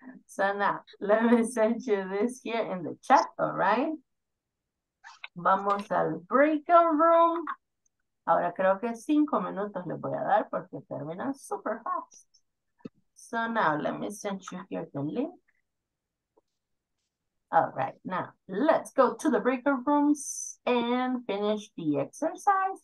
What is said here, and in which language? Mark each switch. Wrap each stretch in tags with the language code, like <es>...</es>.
<en>So now, let me send you this here in the chat, all right?</en> <es>Vamos al breakout room. Ahora creo que 5 minutos les voy a dar porque terminan</es> <en>super fast. So now, let me send you here the link. All right, now, let's go to the breakout rooms and finish the exercise.</en>